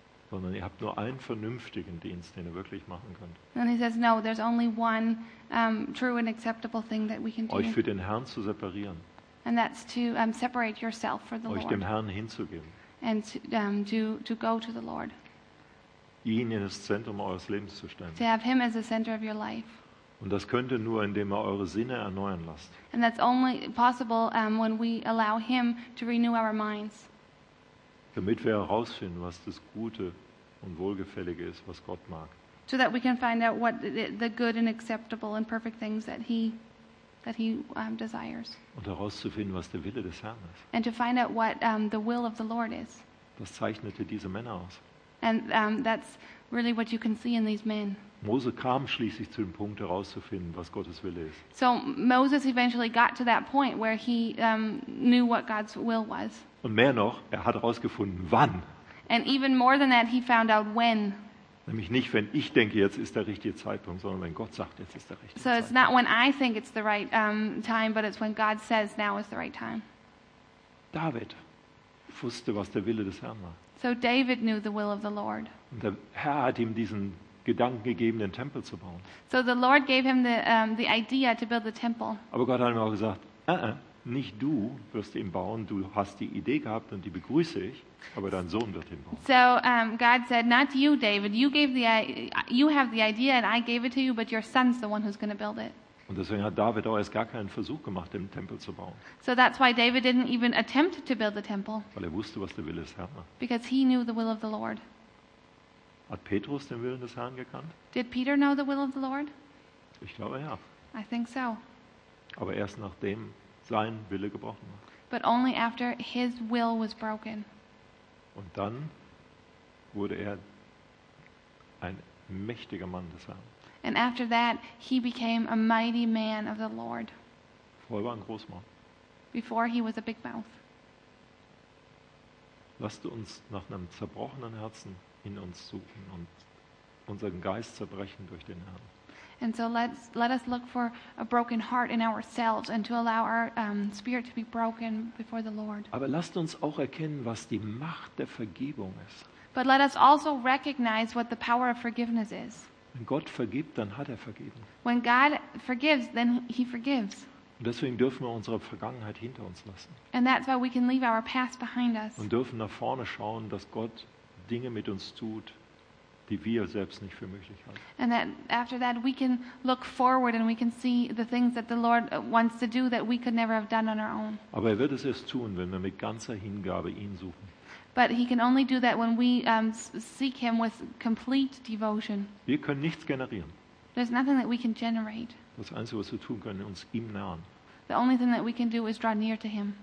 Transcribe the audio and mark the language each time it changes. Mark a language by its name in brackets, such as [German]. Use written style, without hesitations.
[German] Sondern ihr habt nur einen vernünftigen Dienst, den ihr wirklich machen könnt. [English] And he says, no, there's only one true and acceptable thing that we can do. [German] Euch für den Herrn zu separieren. [English] And that's to separate yourself for the Lord. [German] Euch dem Herrn hinzugeben. [English] And to go to the Lord. [German] Ihn in das Zentrum eures Lebens zu stellen. [English] To have him as the center of your life. [German] Und das könnt ihr nur, indem ihr eure Sinne erneuern lasst. [English] And that's only possible when we allow him to renew our minds. [German] Damit wir herausfinden, was das Gute und Wohlgefällige ist, was Gott mag. [English] So that we can find out what the good and acceptable and perfect things that he desires. [German] Und herauszufinden, was der Wille des Herrn ist. [English] And to find out what the will of the Lord is. [German] Das zeichnete diese Männer aus. [English] And that's really what you can see in these men. [German] Mose kam schließlich zu dem Punkt, herauszufinden, was Gottes Wille ist. [English] So Moses eventually got to that point where he knew what God's will was. [German] Und mehr noch, er hat herausgefunden, wann. [English] And even more than that, he found out when. [German] Nämlich nicht, wenn ich denke, jetzt ist der richtige Zeitpunkt, sondern wenn Gott sagt, jetzt ist der richtige Zeitpunkt. [English] So it's not when I think it's the right time, but it's when God says now is the right time. [German] David wusste, was der Wille des Herrn war. [English] So David knew the will of the Lord. [German] Und der Herr hat ihm diesen Gedanken gegeben, den Tempel zu bauen. [English] So the Lord gave him the idea to build the temple. [German] Aber Gott hat ihm auch gesagt, nicht du wirst ihn bauen, du hast die Idee gehabt und die begrüße ich, aber dein Sohn wird ihn bauen. [English] So God said, not you, David. You have the idea and I gave it to you, but your son's the one who's going to build it. [German] Und deswegen hat David auch erst gar keinen Versuch gemacht, den Tempel zu bauen. [English] So that's why David didn't even attempt to build the temple. [German] Weil er wusste, was der Wille des Herrn war. [English] Because he knew the will of the Lord. [German] Hat Petrus den Willen des Herrn gekannt? [English] Did Peter know the will of the Lord? [German] Ich glaube ja. [English] I think so. [German] Aber erst nachdem sein Wille gebrochen war. [English] But only after his will was broken. [German] Und dann wurde er ein mächtiger Mann des Herrn. [English] And after that he became a mighty man of the Lord. [German] Vorher war ein Großmann. [English] Before he was a big mouth. [German] Lasst uns nach einem zerbrochenen Herzen in uns suchen und unseren Geist zerbrechen durch den Herrn. [English] And so let us look for a broken heart in ourselves and to allow our spirit to be broken before the Lord. [German] Aber lasst uns auch erkennen, was die Macht der Vergebung ist. [English] But let us also recognize what the power of forgiveness is. [German] Wenn Gott vergibt, dann hat er vergeben. [English] When God forgives, then he forgives. [German] Und deswegen dürfen wir unsere Vergangenheit hinter uns lassen. [English] And that's why we can leave our past behind us. [German] Und dürfen nach vorne schauen, dass Gott Dinge mit uns tut, die wir selbst nicht für möglich halten. [English] And that after that we can look forward and we can see the things that the Lord wants to do that we could never have done on our own. [German] Aber er wird es erst tun, wenn wir mit ganzer Hingabe ihn suchen. [English] But he can only do that when we seek him with complete devotion. [German] Wir können nichts generieren. [English] There's nothing that we can generate. [German] Das Einzige, was wir tun können, ist uns ihm nähern. [English] The only thing that we can do is draw near to him.